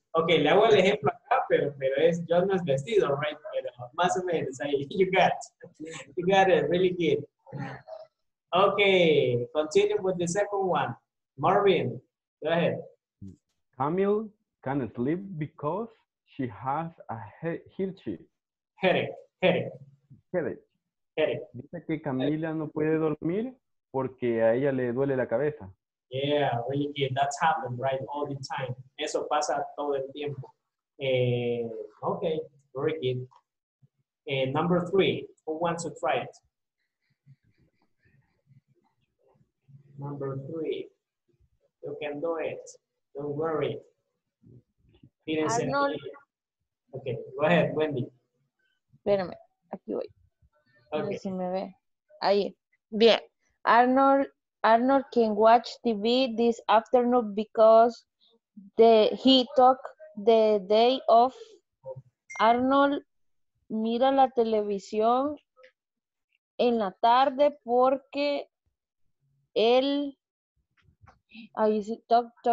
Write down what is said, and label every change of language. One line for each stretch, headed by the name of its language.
Spanish: Okay, le hago el ejemplo acá, pero es yo no es vestido, right? Más o menos,
English: you got it, really good. Okay, continue with the second one. Marvin, go ahead. Camille can't sleep because She has a headache. Headache.
Spanish: Dice que Camila no puede dormir porque a ella le duele la cabeza.
English: Yeah, really good. That's happened, right? All the time.
Spanish: Eso pasa todo el tiempo.
English: Okay, very good. Number three, who wants to try it? Number three, you can do it. Don't worry. Okay, go ahead, Wendy.
Spanish: Espérame, aquí voy.
English: Okay.
Spanish: Si me ve. Ahí. Bien.
English: Arnold can watch TV this afternoon because he took the day off.
Spanish: Arnold mira la televisión en la tarde porque él ahí sí talk.